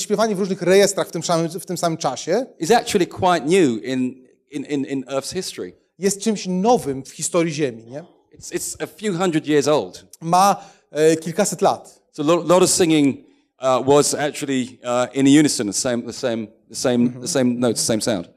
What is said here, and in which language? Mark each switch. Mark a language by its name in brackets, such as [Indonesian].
[Polish] śpiewanie w różnych rejestrach w tym samym czasie. [English] Is actually quite new in Earth's history. [Polish] Jest czymś nowym w historii Ziemi, nie? [English] It's a few hundred years old. [Polish] Ma kilkaset lat. [English] So lot of singing was actually in unison, the same notes, same sound.